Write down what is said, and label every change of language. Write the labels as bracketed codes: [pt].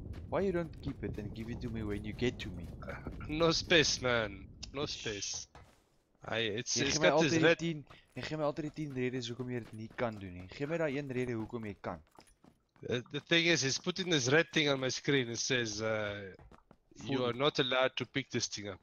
[en] Why you don't keep it and give it to me when you get to me? No space, man. No space. It's got this red... [af] Jy geef my altyd die 10 redes hoekom jy dit nie kan doen, nie. Geef my daar 1 rede hoekom jy kan. [en] The thing is, he's putting this red thing on my screen. It says, you are not allowed to pick this thing up.